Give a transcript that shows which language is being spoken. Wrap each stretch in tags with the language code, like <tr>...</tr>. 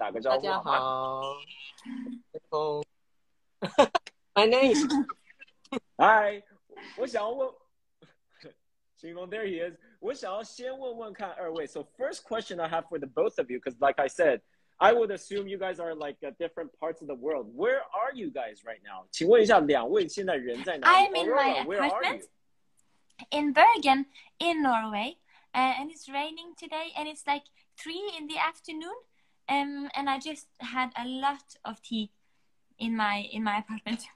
<en>Hello, everyone. Hello. My name is. Hi.</en> <zh>我想要问...</zh> <en>Qingfeng, there he is.</en> <zh>我想要先问问看二位.</zh> <en>So, first question I have for the both of you, because like I said, I would assume you guys are like different parts of the world. Where are you guys right now?</en> <zh>请问一下，两位现在人在哪里？</zh> <en>I'm in my apartment in Bergen, in Norway, and it's raining today, and it's like 3 in the afternoon, and I just had a lot of tea in my apartment.</en>